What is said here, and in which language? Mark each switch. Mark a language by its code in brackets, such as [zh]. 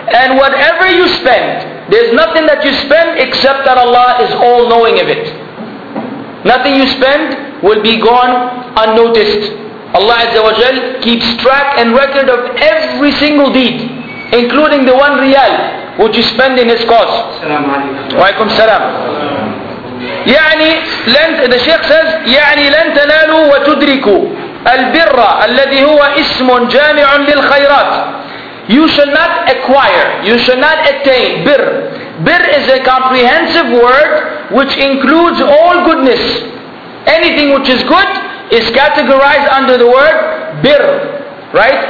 [en] And whatever you spend, there's nothing that you spend except that Allah is all knowing of it. Nothing you spend will be gone unnoticed. Allah Azza wa Jal keeps track and record of every single deed, including the 1 riyal which you spend in His cause. [ar] Assalamu alaikum. Wa alaikum salam. [en] The Shaykh says, [ar] يعني لن تنالوا وتدركوا البر الذي هو اسم جامع للخيرات. [en] You shall not acquire, you shall not attain birr. Birr is a comprehensive word which includes all goodness. Anything which is good is categorized under the word birr. Right?